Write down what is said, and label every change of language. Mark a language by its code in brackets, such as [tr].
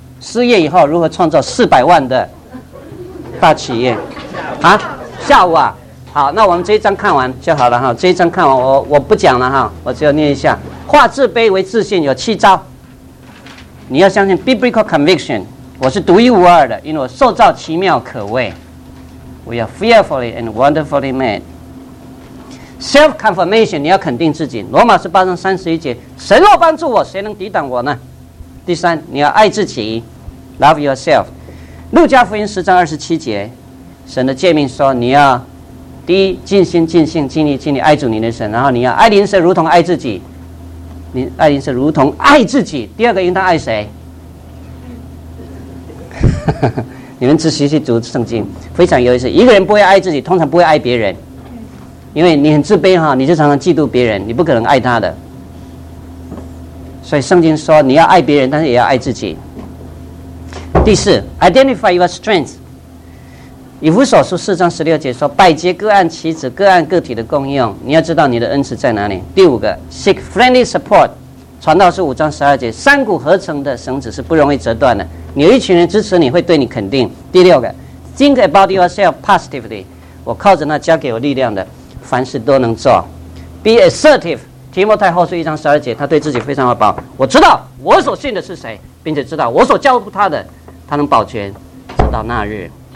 [zh] 失业以后如何创造400万的大企业？啊，下午啊，好，那我们这一章看完就好了哈。这一章看完，我不讲了哈，我只有念一下：化自卑为自信有七招。你要相信 [en] biblical conviction， [zh] 我是独一无二的，因为我塑造奇妙可畏。 [en] We are fearfully and wonderfully made。 Self confirmation， [zh] 你要肯定自己。罗马书8:31，神若帮助我，谁能抵挡我呢？第三，你要爱自己 ， [en] love yourself。 [zh] 路加福音10:27，神的诫命说，你要第一尽心尽性尽力尽力爱主你的神，然后你要爱邻舍如同爱自己。你爱邻舍如同爱自己。第二个应当爱谁？你们仔细去读圣经，非常有意思。一个人不会爱自己，通常不会爱别人，因为你很自卑哈，你就常常嫉妒别人，你不可能爱他的。所以圣经说你要爱别人，但是也要爱自己。第四， [en] identify your strength。 [zh] 以弗所书4:16说，百节各按其职，各按个体的功用，你要知道你的恩赐在哪里。第五个， [en] seek friendly support。 [zh] 传道书5:12，三股合成的绳子是不容易折断的，你有一群人支持你，会对你肯定。第六个， [en] think about yourself positively。 [zh] 我靠着那加给我力量的，凡事都能做。 [en] be assertive。 [zh] 提摩太后书1:12，他对自己非常的保，我知道我所信的是谁，并且知道我所交付他的，他能保全直到那日。